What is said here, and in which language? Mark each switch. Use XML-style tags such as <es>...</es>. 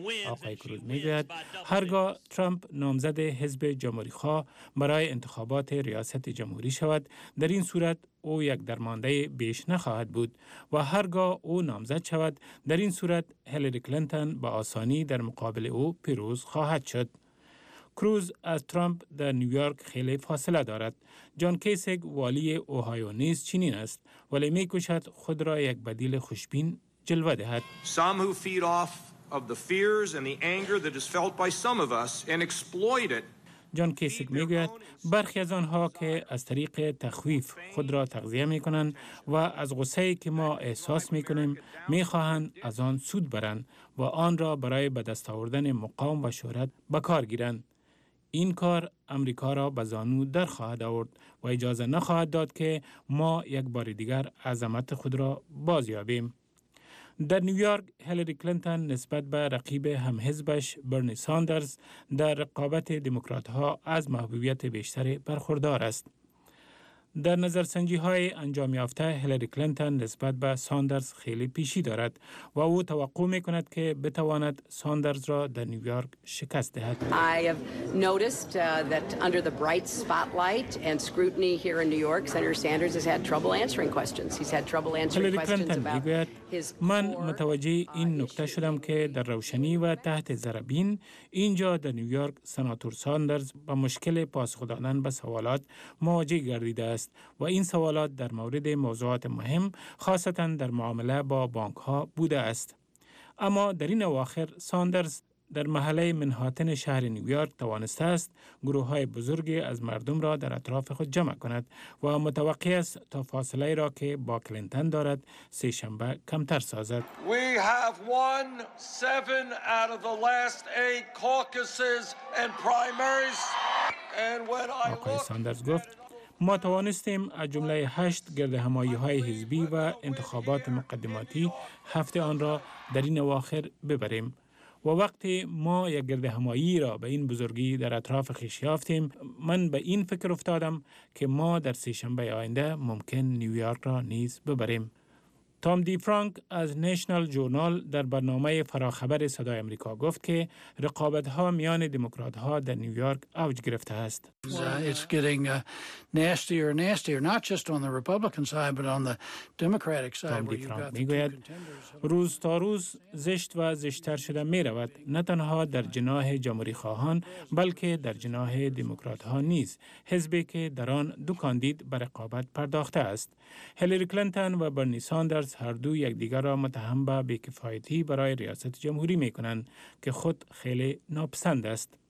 <fa>آقای کروز می گوید هرگاه ترامپ نامزد حزب جمهوری خواه برای انتخابات ریاست جمهوری شود، در این صورت او یک درمانده بیش نخواهد بود، و هرگاه او نامزد شود، در این صورت هیلاری کلینتون با آسانی در مقابل او پیروز خواهد شد. کروز از ترامپ در نیویورک خیلی فاصله دارد. جان کیسیک والی اوهایو نیز چنین است، ولی می کوشد خود را یک بدیل خوشبین جلوه دهد.</fa> <en>Some who feed off of the fears and the anger that is felt by some of us and exploit it.</en> <fa>جان کیسیک می گوید برخی از آنها که از طریق تخویف خود را تغذیه می کنند و از غصه ای که ما احساس می کنیم می خواهند از آن سود برند و آن را برای به دست آوردن مقام و شهرت به کار گیرند. این کار امریکا را به زانو در خواهد آورد و اجازه نخواهد داد که ما یک بار دیگر عظمت خود را بازیابیم. در نیویورک هیلاری کلینتون نسبت به رقیب همحزبش برنی ساندرز در رقابت دموکرات‌ها از محبوبیت بیشتری برخوردار است. در نظرسنجی های انجام یافته هیلاری کلینتون نسبت به ساندرز خیلی پیشی دارد و او توقع می کند که بتواند ساندرز را در نیویورک شکست دهد.</fa> <en>I have noticed that under the bright spotlight and scrutiny here in New York, Senator Sanders has had trouble answering questions. He's had trouble answering questions about his core issues.</en> <fa>من متوجه این نکته شدم که در روشنی و تحت ذره‌بین اینجا در نیویورک سناتور ساندرز با مشکل پاسخ دادن به سوالات مواجه گردیده است، و این سوالات در مورد موضوعات مهم خاصتا در معامله با بانک ها بوده است. اما در این اواخر ساندرز در محله منهاتن شهر نیویورک توانسته است گروه های بزرگی از مردم را در اطراف خود جمع کند و متوقع است تا فاصله را که با کلینتون دارد سه شنبه کمتر سازد.</fa> <en>We have won 7 out of the last 8 caucuses and primaries. And when I look,</en> <fa>ساندرز گفت ما توانستیم از جمله 8 گردهمایی‌های حزبی و انتخابات مقدماتی هفته آن را در این اواخر ببریم، و وقتی ما یک گردهمایی را به این بزرگی در اطراف خویش یافتیم، من به این فکر افتادم که ما در سه‌شنبه آینده ممکن نیویورک را نیز ببریم. تا تام دی فرانک از نیشنال جورنال در برنامه فراخبر صدای امریکا گفت که رقابت ها میان دموکرات ها در نیویورک اوج گرفته است.</fa> <en>It's getting nastier and nastier, not just on the Republican side, but on the Democratic side.</en> <fa>تام دی فرانک میگوید روز تا روز زشت و زشتر شده می رود، نه تنها در جناح جمهوری خواهان بلکه در جناح دموکرات ها نیز، حزبی که در آن دو کاندید بر رقابت پرداخته است. هیلری کلینتون و برنی ساندرز هر دو یکدیگر را متهم به بی‌کفایتی برای ریاست جمهوری می‌کنند که خود خیلی ناپسند است.</fa>